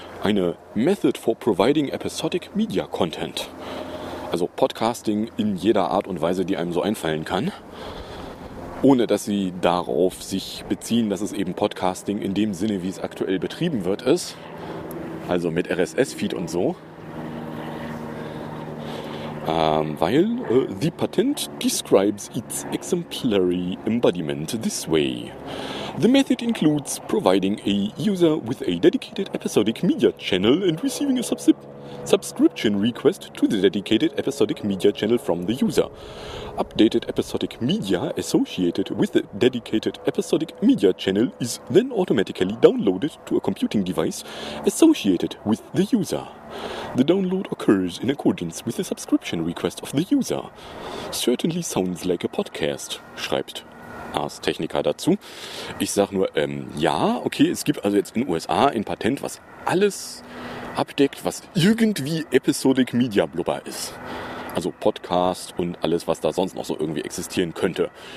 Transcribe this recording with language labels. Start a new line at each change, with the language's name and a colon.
German: Eine
English: Method for Providing Episodic Media Content.
German: Also Podcasting in jeder Art und Weise, die einem so einfallen kann. Ohne dass sie darauf sich beziehen, dass es eben Podcasting in dem Sinne, wie es aktuell betrieben wird, ist. Also mit RSS-Feed und so. Weil
English: the patent describes its exemplary embodiment this way. The method includes providing a user with a dedicated episodic media channel and receiving a subscription request to the dedicated episodic media channel from the user. Updated episodic media associated with the dedicated episodic media channel is then automatically downloaded to a computing device associated with the user. The download occurs in accordance with the subscription request of the user. Certainly sounds like a podcast,
German: schreibt Ars Technica dazu. Ich sag nur, ja, okay, es gibt also jetzt in den USA ein Patent, was alles abdeckt, was irgendwie Episodic Media Blubber ist. Also Podcast und alles, was da sonst noch so irgendwie existieren könnte.